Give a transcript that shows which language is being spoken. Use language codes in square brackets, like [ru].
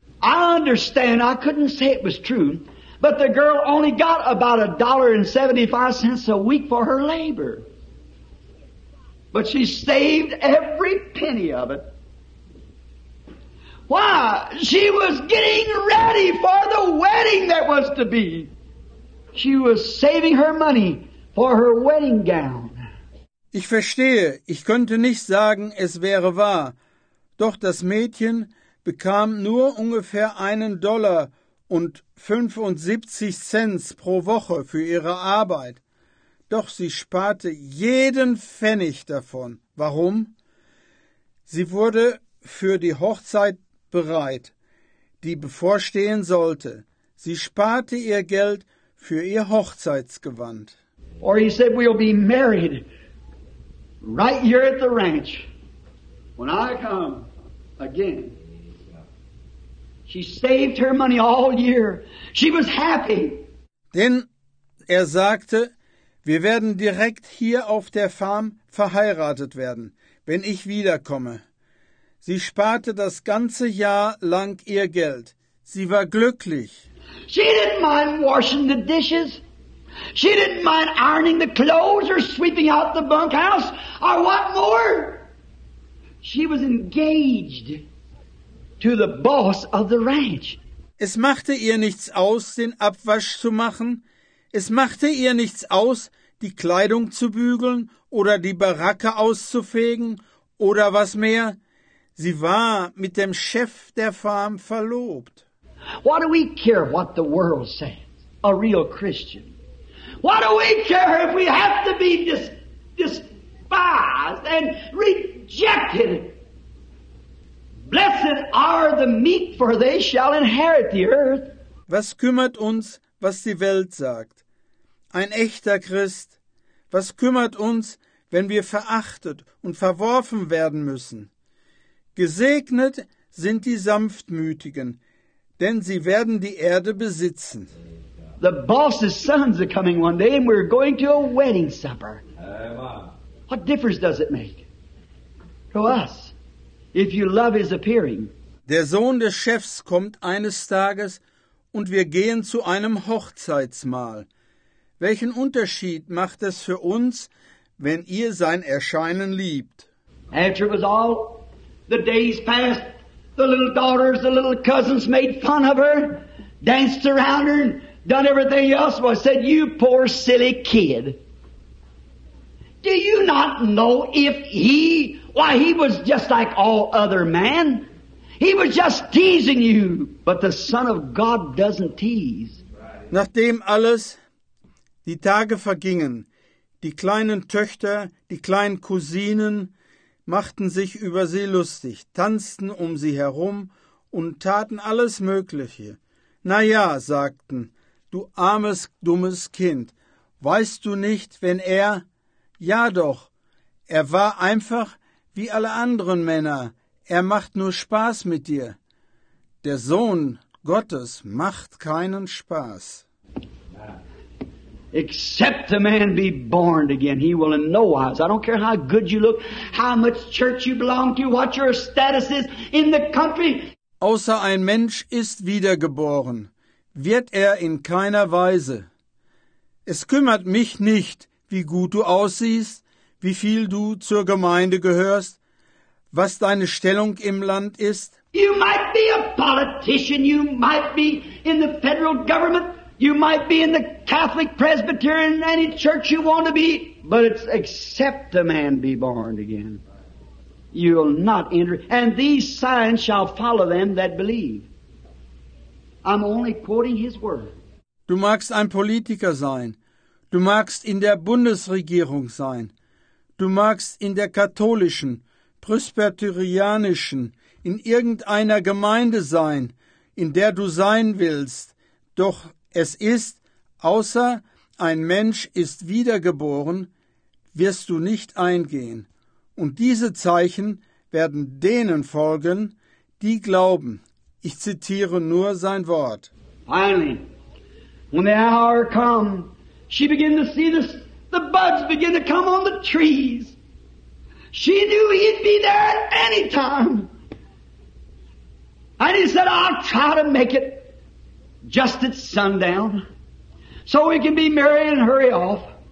[en] I understand, I couldn't say it was true, but the girl only got about $1.75 a week for her labor. But she saved every penny of it. Why? She was getting ready for the wedding that was to be. She was saving her money for her wedding gown. [de] Ich verstehe, ich könnte nicht sagen, es wäre wahr. Doch das Mädchen bekam nur ungefähr $1.75 pro Woche für ihre Arbeit. Doch sie sparte jeden Pfennig davon. Warum? Sie wurde für die Hochzeit bereit, die bevorstehen sollte. Sie sparte ihr Geld für ihr Hochzeitsgewand. [en] Or he said, we'll be married right here at the ranch when I come again. She saved her money all year. She was happy. [de] Denn er sagte, wir werden direkt hier auf der Farm verheiratet werden, wenn ich wiederkomme. Sie sparte das ganze Jahr lang ihr Geld. Sie war glücklich. [en] She didn't mind washing the dishes. She didn't mind ironing the clothes or sweeping out the bunkhouse. Or what more? She was engaged to the boss of the ranch. [de] Es machte ihr nichts aus, den Abwasch zu machen. Es machte ihr nichts aus, die Kleidung zu bügeln oder die Baracke auszufegen oder was mehr. Sie war mit dem Chef der Farm verlobt. [en] What do we care what the world says? A real Christian. What do we care if we have to be despised and rejected? Blessed are the meek, for they shall inherit the earth. [de] Was kümmert uns, was die Welt sagt? Ein echter Christ, was kümmert uns, wenn wir verachtet und verworfen werden müssen? Gesegnet sind die Sanftmütigen, denn sie werden die Erde besitzen. [en] The boss's sons are coming one day and we're going to a wedding supper. What difference does it make to us if you love his appearing? [de] Der Sohn des Chefs kommt eines Tages und wir gehen zu einem Hochzeitsmahl. Welchen Unterschied macht es für uns, wenn ihr sein Erscheinen liebt? [en] After it was all, the days passed, the little daughters, the little cousins made fun of her, danced around her, done everything else, but said, you poor silly kid. Do you not know if he, why he was just like all other men? He was just teasing you, but the Son of God doesn't tease. [de] Nachdem alles, die Tage vergingen, die kleinen Töchter, die kleinen Cousinen machten sich über sie lustig, tanzten um sie herum und taten alles Mögliche. Na ja, sagten, du armes, dummes Kind, weißt du nicht, wenn er, ja doch, er war einfach wie alle anderen Männer. Er macht nur Spaß mit dir. Der Sohn Gottes macht keinen Spaß. [en] Except the man be born again, he will in no wise. I don't care how good you look, how much church you belong to, what your status is in the country. [de] Außer ein Mensch ist wiedergeboren, wird er in keiner Weise. Es kümmert mich nicht, wie gut du aussiehst, wie viel du zur Gemeinde gehörst, was deine Stellung im Land ist. [en] You might be a politician, you might be in the federal government, you might be in the Catholic, Presbyterian, any church you want to be, but it's except the man be born again. You'll not enter. And these signs shall follow them that believe. I'm only quoting his word. [de] Du magst ein Politiker sein. Du magst in der Bundesregierung sein. Du magst in der katholischen, presbyterianischen, in irgendeiner Gemeinde sein, in der du sein willst. Doch es ist, außer ein Mensch ist wiedergeboren, wirst du nicht eingehen. Und diese Zeichen werden denen folgen, die glauben. Ich zitiere nur sein Wort. [en] Finally, when the hour come, she began to see the buds begin to come on the trees. She knew he'd be there at any time. And he said, I'll try to make it just at sundown, so we can be merry and hurry off.